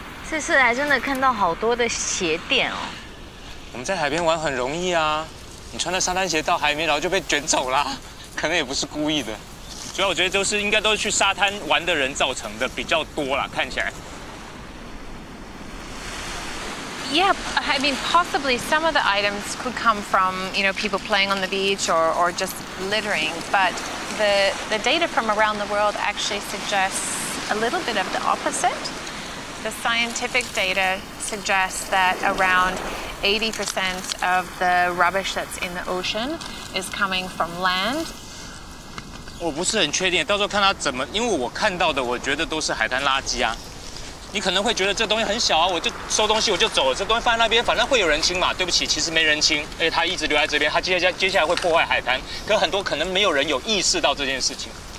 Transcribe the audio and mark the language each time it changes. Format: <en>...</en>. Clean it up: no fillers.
<zh>这次还真的看到好多的鞋垫哦。我们在海边玩很容易啊，你穿了沙滩鞋到海面，然后就被卷走了。可能也不是故意的，主要我觉得就是应该都是去沙滩玩的人造成的比较多啦，看起来。</zh> <en>Yeah, I mean possibly some of the items could come from you know people playing on the beach or just littering, but the data from around the world actually suggests a little bit of the opposite. The scientific data suggests that around 80% of the rubbish that's in the ocean is coming from land.</en> <zh>我不是很确定，到时候看他怎么，因为我看到的，我觉得都是海滩垃圾啊。你可能会觉得这东西很小啊，我就收东西我就走了，这东西放在那边反正会有人清嘛。对不起，其实没人清，而且他一直留在这边，他接下来会破坏海滩，可很多可能没有人有意识到这件事情。</zh>